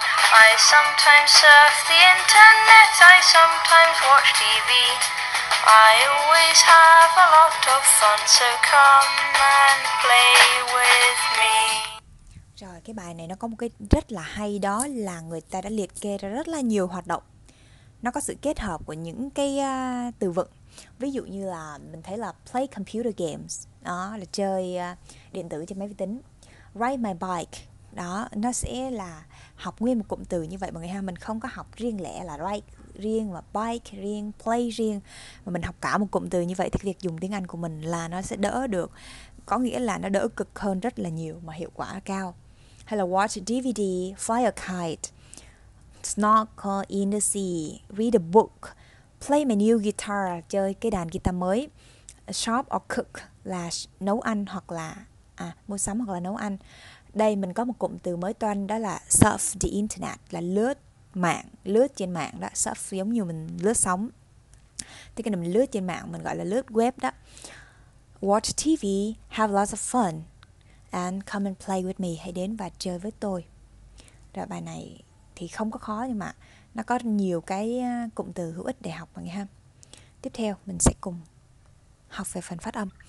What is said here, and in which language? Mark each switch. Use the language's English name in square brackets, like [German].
[English] I sometimes surf the internet, I sometimes watch TV. I always have a lot of fun, so come and play with me. [Vietnamese] Rồi, cái bài này nó có một cái rất là hay, đó là người ta đã liệt kê ra rất là nhiều hoạt động. Nó có sự kết hợp của những cái từ vựng. Ví dụ như là mình thấy là [English] play computer games, [Vietnamese] đó là chơi điện tử trên máy vi tính. [English] Ride my bike, [Vietnamese] đó, nó sẽ là học nguyên một cụm từ như vậy mọi người ha. Mình không có học riêng lẻ là ride riêng và bike riêng, play riêng, mà mình học cả một cụm từ như vậy thì việc dùng tiếng Anh của mình là nó sẽ đỡ được, có nghĩa là nó đỡ cực hơn rất là nhiều mà hiệu quả cao. Hay là [English] watch DVD, fly a kite, snorkel in the sea, read a book, play my new guitar, [Vietnamese] chơi cái đàn guitar mới, [English] shop or cook [Vietnamese] là nấu ăn hoặc là mua sắm hoặc là nấu ăn. Đây mình có một cụm từ mới toanh, đó là [English] surf the internet, [Vietnamese] là lướt mạng, lướt trên mạng đó. Surf giống như mình lướt sóng. Thế cái này mình lướt trên mạng, mình gọi là lướt web đó. [English] Watch TV, have lots of fun, and come and play with me. [Vietnamese] Hãy đến và chơi với tôi. Rồi bài này thì không có khó, nhưng mà nó có nhiều cái cụm từ hữu ích để học mọi người ha. Tiếp theo mình sẽ cùng học về phần phát âm.